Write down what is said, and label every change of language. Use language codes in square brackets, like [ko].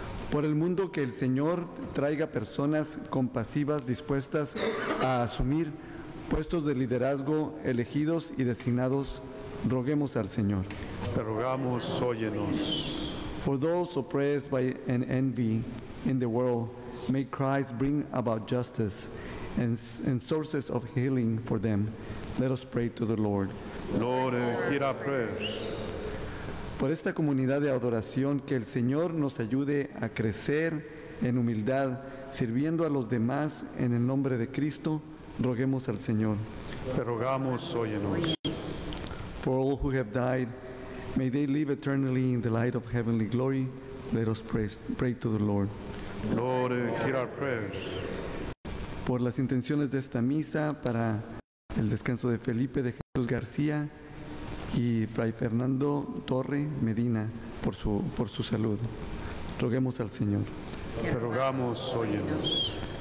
[es] Por el mundo, que el Señor traiga personas compasivas dispuestas a asumir puestos de liderazgo elegidos y designados, roguemos al Señor. Te rogamos, óyenos. [en] For those oppressed by an envy in the world, may Christ bring about justice and sources of healing for them. Let us pray to the Lord. Lord, hear our prayers. [es] Por esta comunidad de adoración, que el Señor nos ayude a crecer en humildad, sirviendo a los demás en el nombre de Cristo, roguemos al Señor. Te rogamos, óyenos. [en] For all who have died, may they live eternally in the light of heavenly glory. Let us pray to the Lord. Lord, hear our prayers. [es] Por las intenciones de esta misa, para el descanso de Felipe, de Jesús García y Fray Fernando Torre Medina, por su salud, roguemos al Señor. Te rogamos, óyenos.